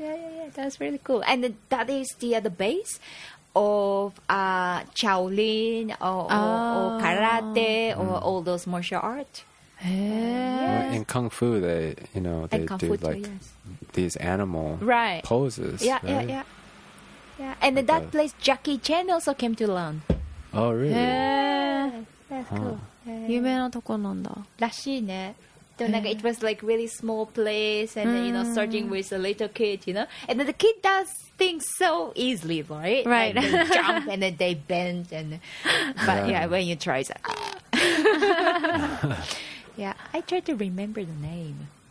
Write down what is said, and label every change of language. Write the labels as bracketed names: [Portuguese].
[English] yeah, that's really cool. And that is the base. Of Shaolin or Karate or all those martial art. Yeah. Well, in Kung Fu, they do too, like yes. these animal right. poses. Yeah, right? yeah, yeah. Yeah. And like that place, Jackie Chan also came to learn. Oh, really? Yeah. That's cool. [Japanese] 有名なとこなんだ。らしいね。 [English] So, like, it was like really small place and you know starting with a little kid, you know, and then the kid does things so easily, right? Right. Like, they jump and then they bend and but yeah, yeah when you try it's like, yeah, I tried to remember the name.